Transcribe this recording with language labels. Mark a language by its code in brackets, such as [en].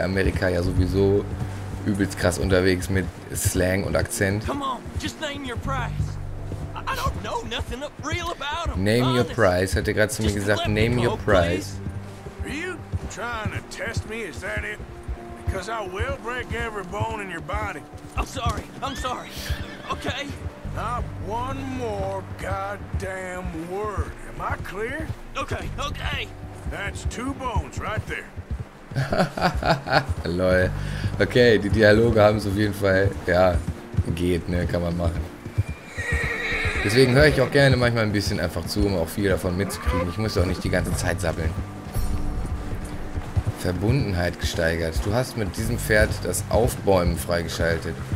[de] Amerika ja sowieso übelst krass unterwegs mit Slang und Akzent. [en] Name your price, [de] hat er gerade zu mir gesagt. [en] Name your price. Are you trying to test me? Is that it? Because I will break every bone in your body. I'm sorry. Okay. Not one more goddamn word. Am I clear? Okay. That's two bones right there. Lol. [de] Okay, die Dialoge haben es auf jeden Fall. Ja, geht, ne? Kann man machen. Deswegen höre ich auch gerne manchmal ein bisschen einfach zu, um auch viel davon mitzukriegen. Ich muss auch nicht die ganze Zeit sabbeln. Verbundenheit gesteigert. Du hast mit diesem Pferd das Aufbäumen freigeschaltet.